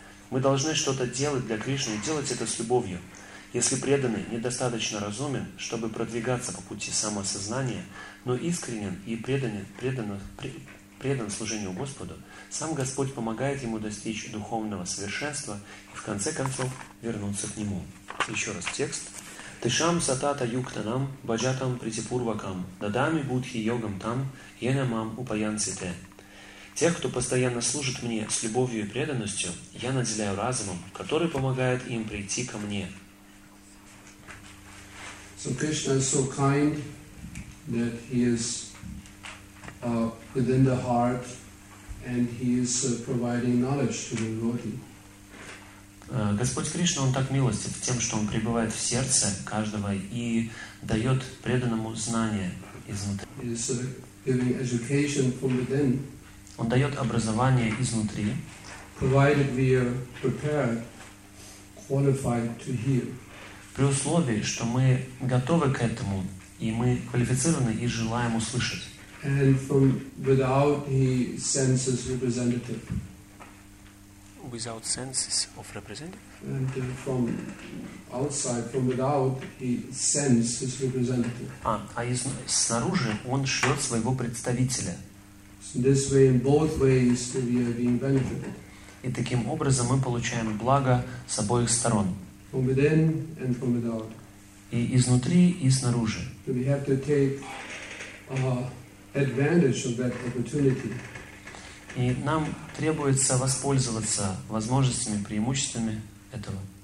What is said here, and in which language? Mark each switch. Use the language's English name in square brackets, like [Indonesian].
[Russian] Мы должны что-то делать для Кришны и делать это с любовью. Если преданный недостаточно разумен, чтобы продвигаться по пути самосознания, но искренен и предан служению Господу, сам Господь помогает ему достичь духовного совершенства и в конце концов вернуться к Нему. Еще раз текст. [Sanskrit] Тишам сатата юктанам баджатам притипурвакам дадами будхи йогам там йенамам упаянците. [Russian] Тех, кто постоянно служит мне с любовью и преданностью, я наделяю разумом, который помогает им прийти ко мне. [English] So Krishna is so kind that he is within the heart and he is providing knowledge to the devotee. [Russian] Господь Кришна, Он так милостив тем, что Он пребывает в сердце каждого и дает преданному знания изнутри. [English] He is giving education from within. [Russian] Он дает образование изнутри. [English] Provided we are prepared, qualified to hear. [Russian] При условии, что мы готовы к этому, и мы квалифицированы и желаем услышать. [English] And from without, he sends his representative. Without senses of representative? And from outside, from without, he sends his representative. [Russian] Снаружи он шлет своего представителя. [English] So this way, in both ways, we are being benefited. [Russian] И таким образом мы получаем благо с обоих сторон. [English] From within and from without. [Russian] И изнутри, и снаружи. [English] So we have to take advantage of that opportunity. [Russian] И нам требуется воспользоваться возможностями, преимуществами этого.